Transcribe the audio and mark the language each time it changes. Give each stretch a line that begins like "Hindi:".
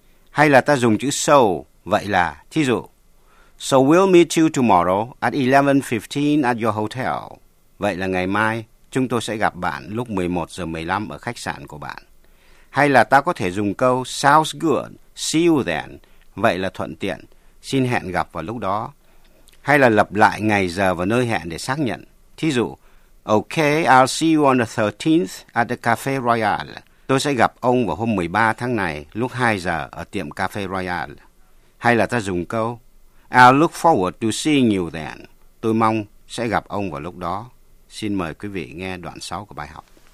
English: Hay là ta dùng chữ so, vậy là, thí dụ, so we'll meet you tomorrow at 11:15 at your hotel.
Vietnamese: Vậy là ngày mai chúng tôi sẽ gặp bạn lúc 11:15 ở khách sạn của bạn. Hay là ta có thể dùng câu sounds good, see you then. Vậy là thuận tiện, xin hẹn gặp vào lúc đó. Hay là lặp lại ngày giờ và nơi hẹn để xác nhận.
English: Thí dụ, okay, I'll see you on the 13th at the Cafe Royal.
Vietnamese: Tôi sẽ gặp ông vào hôm 13 tháng này lúc 2 giờ ở tiệm Cafe Royal.
English: Hay là ta dùng câu I'll look forward to seeing you then.
Vietnamese: Tôi mong sẽ gặp ông vào lúc đó. Xin mời quý vị nghe đoạn 6 của bài học.